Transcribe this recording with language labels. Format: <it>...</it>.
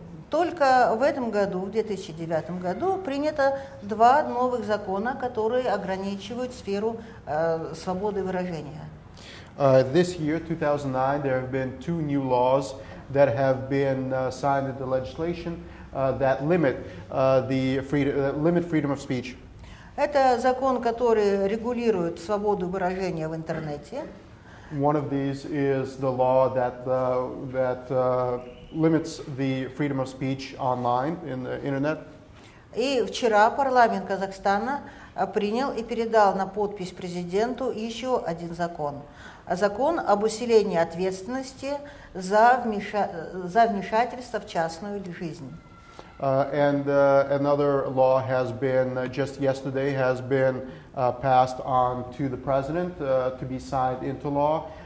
<ru>Только в этом году, в 2009 году, принято два новых закона, которые ограничивают сферу свободы выражения.</ru> <en>This year, 2009, there have been two new laws that have been signed into legislation that limit freedom of speech.</en> <ru>Это закон, который регулирует свободу выражения в интернете.</ru> <en>One of these is the law that limits the freedom of speech online in the internet.</en> <ru>И вчера парламент Казахстана принял и передал на подпись президенту еще один закон. Закон об усилении ответственности за вмешательство в частную жизнь.</ru> <en>Another law has been just yesterday has been passed on to the president to be signed into law.</en>